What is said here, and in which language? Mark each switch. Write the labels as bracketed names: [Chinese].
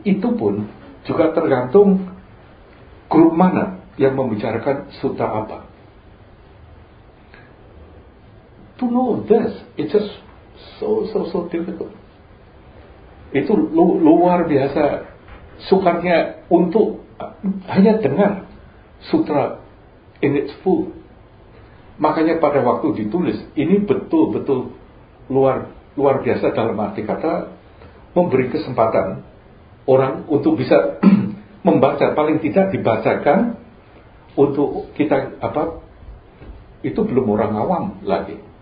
[Indonesian] Itu pun juga tergantung grup mana yang membicarakan sutra apa. [English] To know this, it's just so difficult. [Indonesian] Itu luar biasa sukarnya untuk hanya dengar sutra [English] in its full. [Indonesian] Makanya pada waktu ditulis, ini betul-betul luar biasa dalam arti kata memberi kesempatan orang untuk bisa membaca, paling tidak dibacakan untuk kita apa, itu belum orang awam lagi.